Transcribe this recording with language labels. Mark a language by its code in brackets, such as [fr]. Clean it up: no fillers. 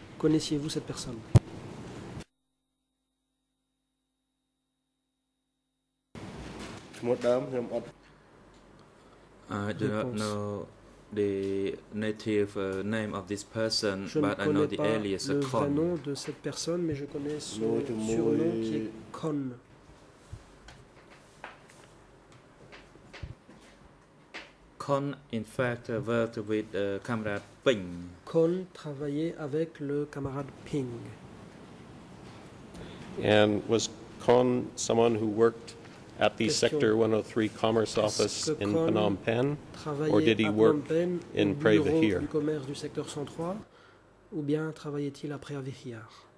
[fr] Connaissiez-vous cette personne? [en] I do not know the native name of this person, but I know the alias Kon. [fr] Je ne connais pas le nom de cette personne, mais je connais son surnom qui est Kon. [en] Kon, in fact, worked with comrade Ping. [fr] Kon travaillait avec le camarade Ping. [en] And was Kon someone who worked at the Sector 103 Commerce Office in Phnom Penh, or did he work in Prey Vihear? [fr] Du commerce du secteur 103, ou bien travaillait-il à Prey Vihear?